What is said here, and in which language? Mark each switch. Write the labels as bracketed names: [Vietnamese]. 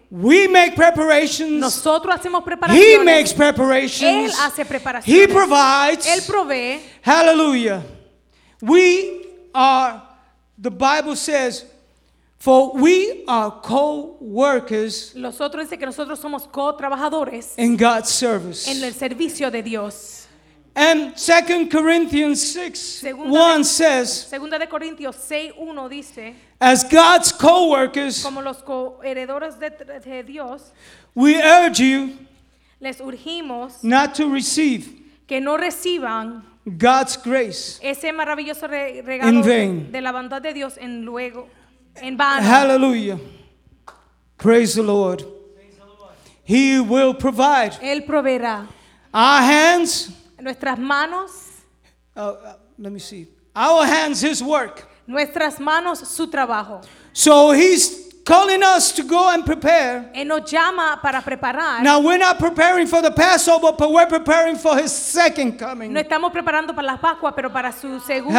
[English] we make preparations. [Spanish] Nosotros hacemos preparaciones. [English] He makes preparations. [Spanish] Él hace preparaciones. [English] He provides. [Spanish] Él provee. [English] Hallelujah. We are, the Bible says, for we are co-workers. [Spanish] Los otros dice que nosotros somos co-trabajadores. [English] In God's service. [Spanish] En el servicio de Dios. [English] And 2 Corinthians 6:1 says, [Spanish] Segunda de Corintios 6:1 dice, [English] as God's co-workers, [Spanish] como los coheredores de Dios, [English] we urge you, [Spanish] les urgimos, [English] not to receive, [Spanish] que no reciban, [English] God's grace, [Spanish] ese maravilloso regalo [English] in vain, [Spanish] de la bondad de Dios en luego, en vano. [English] Hallelujah. Praise the Lord. He will provide. [Spanish] Él proveerá. [English] Our hands, [Spanish] nuestras manos, [English] let me see, our hands, his work, [Spanish] nuestras manos, su trabajo. [English] So he's calling us to go and prepare. [Spanish] Él nos llama para preparar. [English] Now we're not preparing for the Passover, but we're preparing for his second coming. [Spanish] No estamos preparando para la Pascua, pero para su segundo.